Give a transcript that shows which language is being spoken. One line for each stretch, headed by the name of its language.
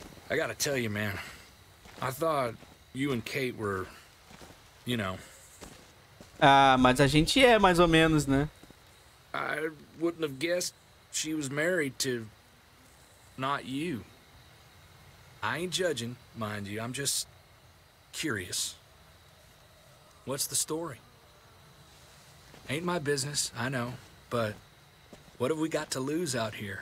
English: I gotta tell you, man, I thought you and Kate were, you know.
Portuguese: Ah, mas a gente é mais ou menos, né?
English: I wouldn't have guessed she was married to not you. I ain't judging, mind you, I'm just curious. What's the story? Ain't my business, I know, but what have we got to lose out here?